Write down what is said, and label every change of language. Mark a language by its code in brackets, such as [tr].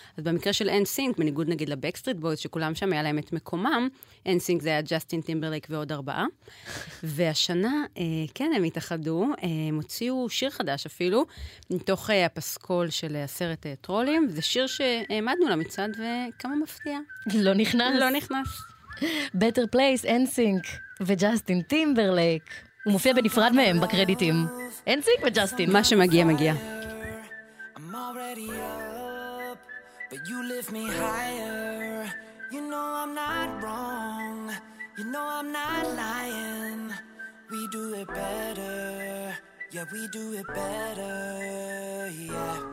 [he] אז במקרה של Nsync, בניגוד נגיד לבקסטריט בויז, שכולם שם היה להם את מקומם, Nsync זה היה ג'סטין טימברלייק ועוד ארבעה. והשנה, כן, הם התאחדו, הם הוציאו שיר חדש אפילו, מתוך הפסקול של הסרט טרולים. זה שיר שהעמדנו למצעד, וכמה מפתיע. לא נכנס. לא נכנס. Better Place, Nsync וג'סטין טימברלייק. הוא מופיע בנפרד מהם בקרדיטים. Nsync וג'סטין. מה שמגיע מגיע. [en] I'm already up, but you lift me higher. You know I'm not wrong, you know I'm not lying. We do it better, yeah we do it better, yeah.